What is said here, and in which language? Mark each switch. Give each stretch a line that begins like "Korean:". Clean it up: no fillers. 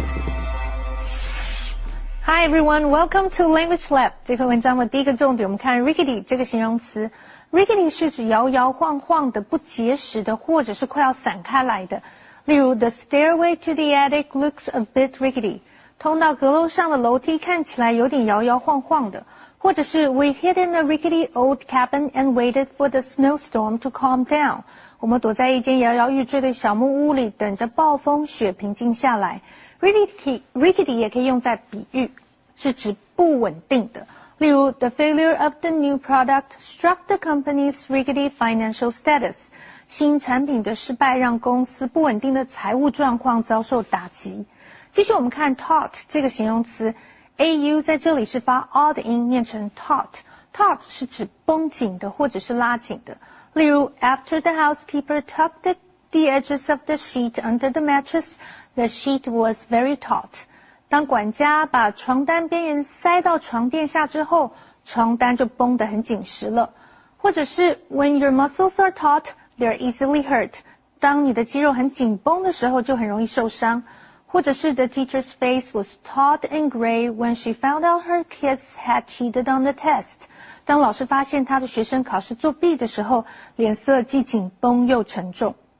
English: Hi everyone, welcome to Language Lab.
Chinese: 这篇文章的第一个重点，我们看 rickety 这个形容词。Rickety 是指摇摇晃晃的、不结实的，或者是快要散开来的。例如
English: the stairway to the attic looks a bit rickety.
Chinese: 通到阁楼上的楼梯看起来有点摇摇晃晃的。或者是
English: we hid in a rickety old cabin and waited for the snowstorm to calm down.
Chinese: 我们躲在一间摇摇欲坠的小木屋里等着暴风雪平静下来。 Rickety 也可以用在比喻，是指不稳定的。例如
English: the failure of the new product struck the company's rickety financial status.
Chinese: 新产品的失败让公司不稳定的财务状况遭受打击。继续我们看 taut 这个形容词 ,au 在这里是发 aw 的音念成 taut。 taut 是指绷紧的或者是拉紧的。例如
English: ,after the housekeeper tucked the edges of the sheet under the mattress, the sheet was very taut.
Chinese: 当管家把床单边缘塞到床垫下之后床单就绷得很紧实了。或者是
English: ,when your muscles are taut,They are easily hurt.
Chinese: 当你的肌肉很紧绷的时候就很容易受伤。或者是
English: the teacher's face was taut and gray when she found out her kids had cheated on the test.
Chinese: 当老师发现他的学生考试作弊的时候脸色既紧绷又沉重。